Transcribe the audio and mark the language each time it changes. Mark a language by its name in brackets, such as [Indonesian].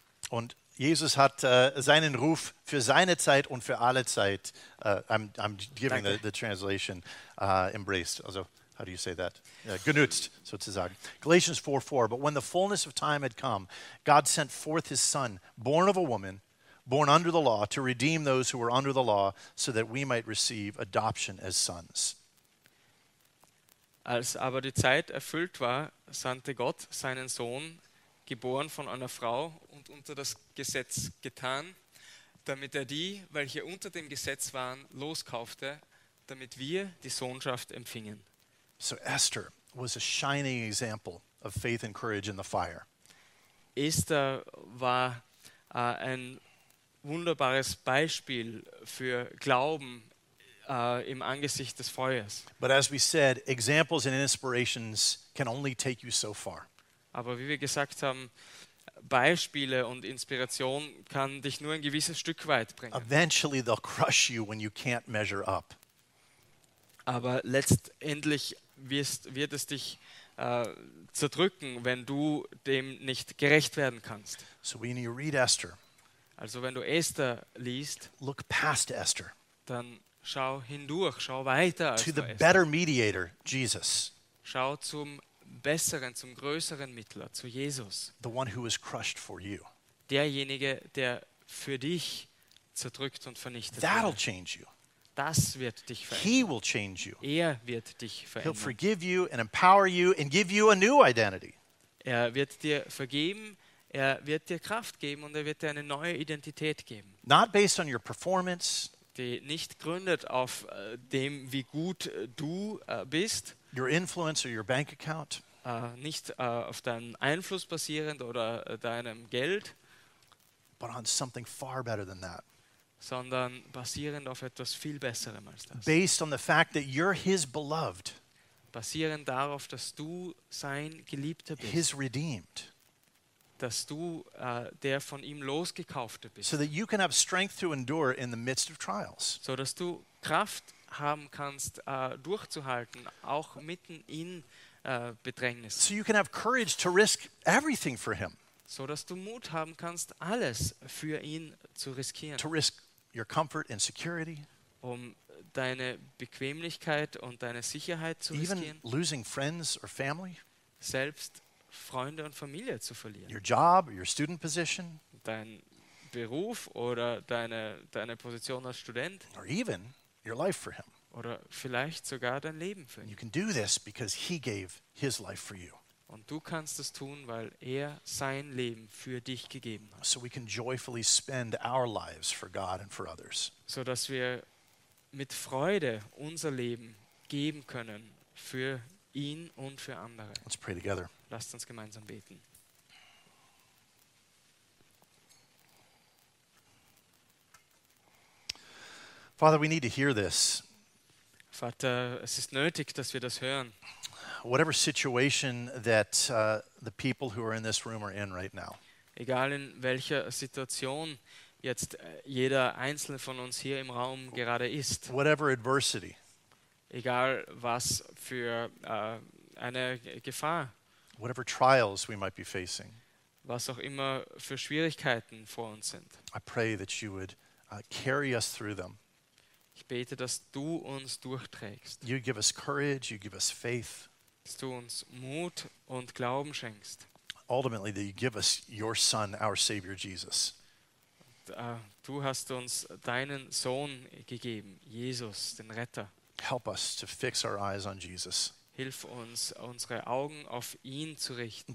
[German] Und Jesus hat seinen Ruf für seine Zeit und für alle Zeit, [English] I'm giving the translation, embraced. Also, how do you say that? [German] Genutzt, sozusagen. [English] Galatians 4:4. But when the fullness of time had come, God sent forth his son, born of a woman, born under the law, to redeem those who were under the law, so that we might receive adoption as sons. [German] Als aber die Zeit erfüllt war, sandte Gott seinen Sohn, geboren von einer Frau und unter das Gesetz getan, damit er die, welche unter dem Gesetz waren, loskaufte, damit wir die Sohnschaft empfingen. [English] So Esther was a shining example of faith and courage in the fire. [German] Esther war ein wunderbares Beispiel für Glauben im Angesicht des Feuers. [English] But as we said, examples and inspirations can only take you so far. [German] Aber wie wir gesagt haben, Beispiele und Inspiration kann dich nur ein gewisses Stück weit bringen. [English] Eventually they'll crush you when you can't measure up. [German] Aber letztendlich wird es dich zerdrücken, wenn du dem nicht gerecht werden kannst. [English] So when you read Esther, [German] also wenn du Esther liest, [English] look past Esther, [German] dann schau hindurch, schau weiter als [English] to the better mediator, Jesus. [German] Schau zum besseren, zum größeren Mittler, zu Jesus. [English] The one who is crushed for you. [German] Derjenige, der für dich zerdrückt und vernichtet. [English] That'll change you. [German] Das wird dich verändern. [English] He will change you. [German] Er wird dich verändern. [English] He'll forgive you and empower you and give you a new identity. [German] Er wird dir vergeben, er wird dir Kraft geben und er wird dir eine neue Identität geben. [English] Not based on your performance. [German] Die nicht gründet auf dem, wie gut du bist. [English] Your influence or your bank account. [German] Nicht auf deinen Einfluss basierend oder deinem Geld. [English] But on something far better than that. [German] Sondern basierend auf etwas viel Besserem als das. [English] Based on the fact that you're his beloved. [German] Basierend darauf, dass du sein Geliebter bist. [English] His redeemed. [German] dass du der von ihm losgekaufte bist. [English] So that you can have strength to endure in the midst of trials. [German] So dass du Kraft haben kannst, durchzuhalten, auch mitten in Bedrängnissen. [English] So you can have courage to risk everything for him. [German] So dass du Mut haben kannst, alles für ihn zu riskieren. [English] To risk your comfort and security. [German] Um deine Bequemlichkeit und deine Sicherheit zu [English] Even [German] riskieren. [English] Even losing friends or family. [German] Selbst Freunde und Familie zu verlieren. [English] Your job, your student position. [German] Dein Beruf oder deine Position als Student. [English] Or even your life for him. [German] Oder vielleicht sogar dein Leben für ihn. [English] You can do this because he gave his life for you. [German] Und du kannst es tun, weil er sein Leben für dich gegeben hat. [English] So we can joyfully spend our lives for God and for others. [German] So dass wir mit Freude unser Leben geben können für ihn und für andere. [English] Let's pray together. [German] Lasst uns gemeinsam beten. [English] Father, we need to hear this. [German] Vater, es ist nötig, dass wir das hören. [English] Whatever situation that the people who are in this room are in right now. [German] Egal in welcher Situation jetzt jeder einzelne von uns hier im Raum gerade ist. [English] Whatever adversity. [German] Egal was für eine Gefahr. [English] Whatever trials we might be facing. [German] Was auch immer für Schwierigkeiten vor uns sind. [English] I pray that you would carry us through them. [German] Ich bete, dass du uns durchträgst. [English] You give us courage, you give us faith. [German] Dass du uns Mut und Glauben schenkst. [English] Ultimately, that you give us your son, our Savior Jesus. [German] Du hast uns deinen Sohn gegeben, Jesus, den Retter. [English] Help us to fix our eyes on Jesus. [German] Hilf uns, unsere Augen auf ihn zu richten.